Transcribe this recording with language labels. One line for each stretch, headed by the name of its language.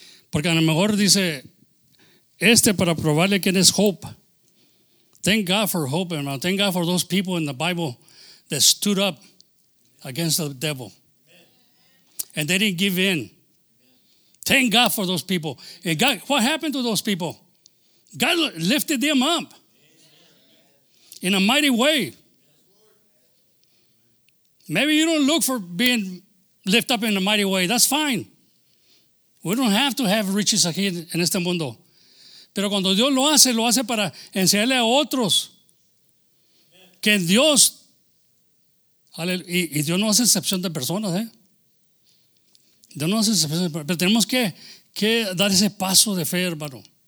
Spanish: Porque a lo mejor dice, este para probarle quién es Hope.
English: Thank God for Hope, hermano. Thank God for those people in the Bible that stood up against the devil. Amen. And they didn't give in. Thank God for those people. And God, what happened to those people? God lifted them up in a mighty way. Maybe you don't look for being lifted up in a mighty way. That's fine. We don't have to have riches
Spanish: aquí en este mundo. Pero cuando Dios lo hace para enseñarle a otros que en Dios, y Dios no hace excepción de personas, Dios no hace excepción de personas, pero tenemos que dar ese paso de fe, hermano.